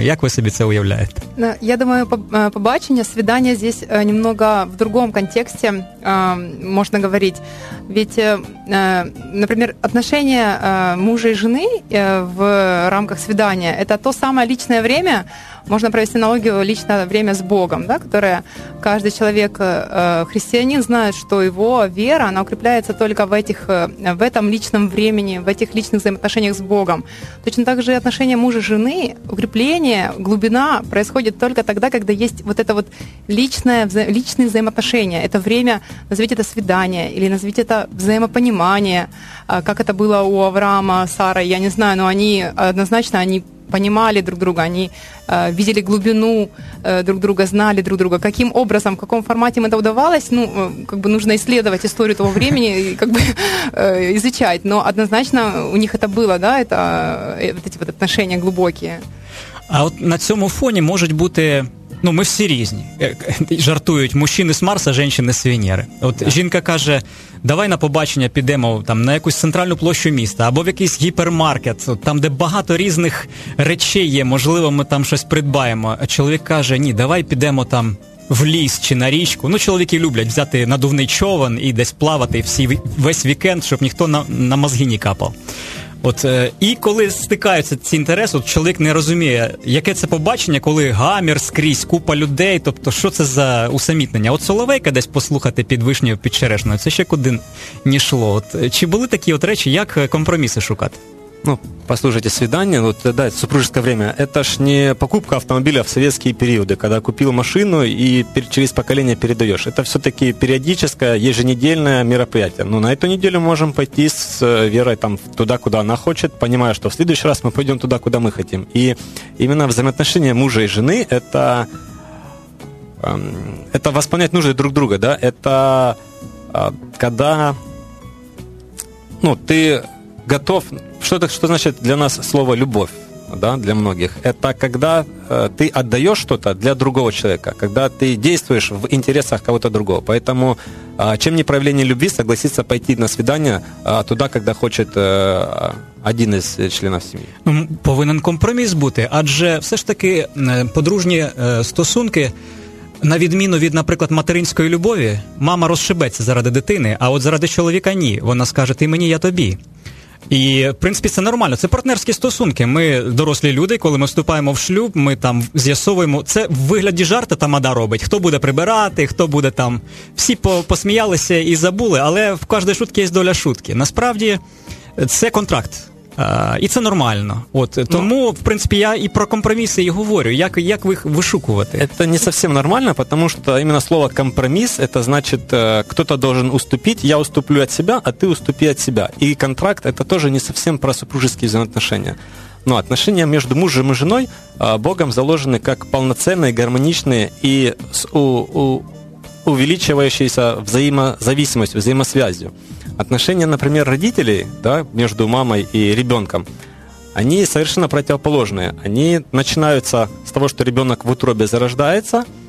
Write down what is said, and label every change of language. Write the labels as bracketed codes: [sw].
[uk] Як ви собі це уявляєте? Я думаю, побачення, свідання [ru] здесь немного [uk] в другому контексті можна говорити. [ru] Ведь, [uk] наприклад, отношення мужа і жени в рамках свідання – це то саме личне время. [ru] Можно провести аналогию личное время с Богом, да, которое каждый человек, христианин, знает, что его вера, она укрепляется только в этом личном времени, в этих личных взаимоотношениях с Богом. Точно так же и отношения мужа и жены, укрепление, глубина происходит только тогда, когда есть вот это вот личное, личные взаимоотношения. Это время, назовите это свидание или назовите это взаимопонимание, как это было у Авраама, Сары, я не знаю, но они однозначно, они понимали друг друга, они видели глубину друг друга, знали друг друга. Каким образом, в каком формате им это удавалось, ну, как бы нужно исследовать историю того времени и как бы изучать. Но однозначно у них это было, да, это вот эти вот отношения глубокие. [uk] А вот на цьому фоні можуть бути, ну, ми всі різні. Жартують, мужчини з Марса, жінки з Венери. От yeah. Жінка каже, давай на побачення підемо там, на якусь центральну площу міста, або в якийсь гіпермаркет, там, де багато різних речей є, можливо, ми там щось придбаємо. А чоловік каже, ні, давай підемо там в ліс чи на річку. Ну, чоловіки люблять взяти надувний човен і десь плавати всі, весь вікенд, щоб ніхто на мозги не капав. От, і коли стикаються ці інтереси, от чоловік не розуміє, яке це побачення, коли гамір скрізь, купа людей, тобто що це за усамітнення? От Соловейка десь послухати під вишнею, під черешною, це ще куди не йшло. От, чи були такі от речі, як компроміси шукати? [ru] Ну, послушайте, свидание, вот, да, супружеское время, это ж не покупка автомобиля в советские периоды, когда купил машину и через поколение передаешь. Это все-таки периодическое, еженедельное мероприятие. Ну, на эту неделю можем пойти с Верой там, туда, куда она хочет, понимая, что в следующий раз мы пойдем туда, куда мы хотим. И именно взаимоотношения мужа и жены, это восполнять нужды друг друга, да, это когда, ну, ты готов... Что значит для нас слово «любовь», да, для многих? Это когда ты отдаешь что-то для другого человека, когда ты действуешь в интересах кого-то другого. Поэтому чем не проявление любви согласиться пойти на свидание туда, когда хочет один из членов семьи? [uk] Повинен компроміс бути, адже все ж таки подружні стосунки – на відміну від, наприклад, материнської любові, мама розшибеться заради дитини, а от заради чоловіка – ні. Вона скаже «ти мені, я тобі». І, в принципі, це нормально. Це партнерські стосунки. Ми дорослі люди, коли ми вступаємо в шлюб, ми там з'ясовуємо. Це в вигляді жарта тамада робить. Хто буде прибирати, хто буде там. Всі посміялися і забули, але в кожній шутці є доля шутки. Насправді, це контракт. І це нормально. От, тому, в принципі, я і про компроміси і говорю. Як їх вишукувати? Це не зовсім нормально, тому що іменно слово «компроміс» – це значить, хтось має уступити, я уступлю від себе, а ти уступи від себе. І контракт – це теж не зовсім про супружеські взаємоотношення. [ru] Ну, отношения между мужем и женой Богом заложены как полноценные, гармоничные и с увеличивающейся взаимозависимостью, взаимосвязью. Отношения, например, родителей, да, между мамой и ребенком, они совершенно противоположные. Они начинаются с того, что ребенок в утробе зарождается,